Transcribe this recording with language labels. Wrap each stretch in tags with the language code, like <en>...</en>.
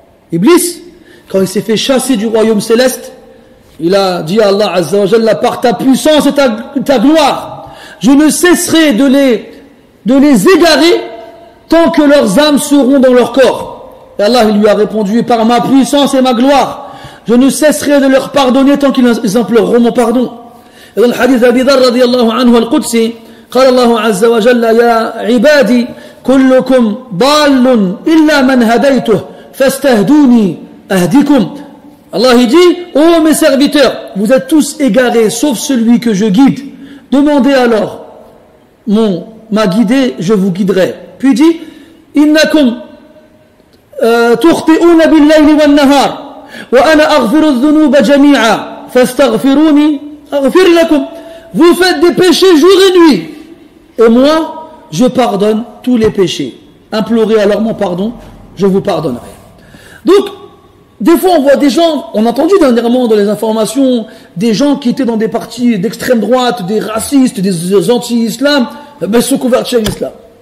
<fr>Iblis, quand il s'est fait chasser du royaume céleste, il a dit à Allah Azza wa Jalla, par ta puissance et ta gloire, je ne cesserai de les égarer tant que leurs âmes seront dans leur corps. Et Allah lui a répondu, par ma puissance et ma gloire, je ne cesserai de leur pardonner tant qu'ils imploreront mon pardon. Et dans le hadith d'Abi Dharr radiallahu anhu al-Qudsi,</fr> <ar>قال الله عز وجل يا عبادي كلكم ضال إلا من هديته فاستهدوني أهديكم.</ar> <fr>الله dit, ô mes serviteurs, vous êtes tous égarés sauf celui que je guide. Demandez alors ma guidé, je vous guiderai. Puis dit,</fr> <ar>إنكم تخطئون بالليل والنهار وأنا أغفر الذنوب جميعا فاستغفروني أغفر لكم.</ar> <fr>Vous faites des péchés jour et nuit. Et moi, je pardonne tous les péchés. Implorez alors mon pardon, je vous pardonnerai. Donc, des fois, on voit des gens, on a entendu dernièrement dans les informations, des gens qui étaient dans des partis d'extrême droite, des racistes, des anti-islam, ben, sont convertis à l'islam.</fr>